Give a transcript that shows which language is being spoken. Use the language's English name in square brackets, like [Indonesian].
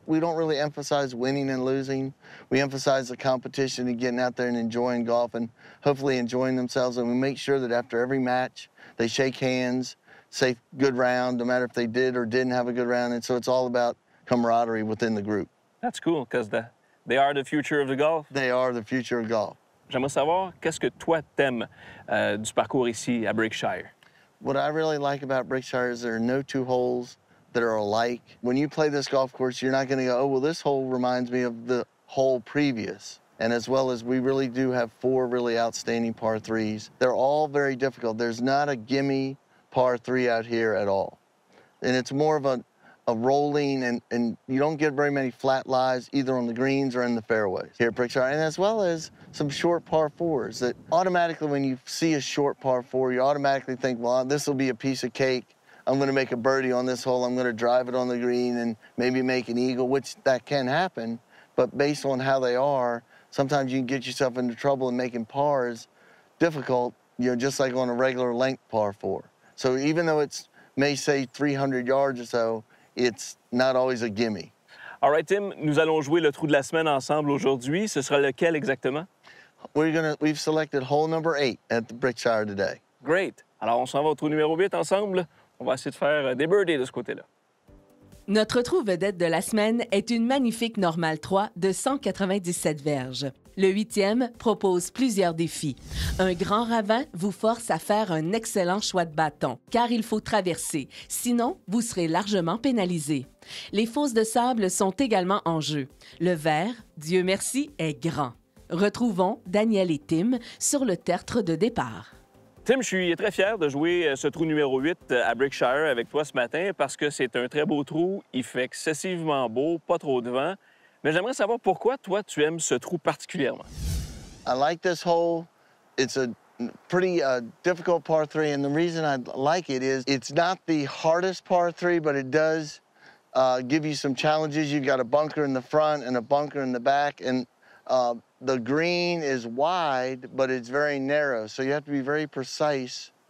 [English] We don't really emphasize winning and losing. We emphasize the competition and getting out there and enjoying golf and hopefully enjoying themselves. And we make sure that after every match, they shake hands, say good round, no matter if they did or didn't have a good round. And so it's all about camaraderie within the group. That's cool, because the, they are the future of the golf. They are the future of golf. [French] J'aimerais savoir, qu'est-ce que toi t'aimes du parcours ici à Brickshire? [English] What I really like about Brickshire is there are no two holes that are alike. When you play this golf course, you're not gonna go, oh, well, this hole reminds me of the hole previous. And as well as we really do have four really outstanding par threes. They're all very difficult. There's not a gimme par three out here at all. And it's more of a rolling, and you don't get very many flat lies either on the greens or in the fairways here at Brickshire. And as well as some short par fours that automatically when you see a short par four, you automatically think, well, this will be a piece of cake. I'm gonna make a birdie on this hole. I'm gonna drive it on the green and maybe make an eagle, which that can happen. But based on how they are, sometimes you can get yourself into trouble and making pars difficult, you know, just like on a regular length par four. So even though it's may say 300 yards or so, it's not always a gimme. [French] All right, Tim, nous allons jouer le trou de la semaine ensemble aujourd'hui. Ce sera lequel exactement? [English] We've selected hole number 8 at the Brickshire today. Great. [French] Alors, on s'en va au trou numéro 8 ensemble. On va essayer de faire des birdies de ce côté-là. Notre trou vedette de la semaine est une magnifique normale 3 de 197 verges. Le huitième propose plusieurs défis. Un grand ravin vous force à faire un excellent choix de bâton, car il faut traverser, sinon vous serez largement pénalisé. Les fosses de sable sont également en jeu. Le verre, Dieu merci, est grand. Retrouvons Daniel et Tim sur le tertre de départ. Tim, je suis très fier de jouer ce trou numéro 8 à Brickshire avec toi ce matin parce que c'est un très beau trou, il fait excessivement beau, pas trop de vent. Mais j'aimerais savoir pourquoi toi tu aimes ce trou particulièrement. [English] I like this hole. It's a pretty difficult par 3, and the reason I like it is it's not the hardest par 3, but it does give you some challenges. You've got a bunker in the front and a bunker in the back, and the green is wide, but it's very narrow, so you have to be very precise.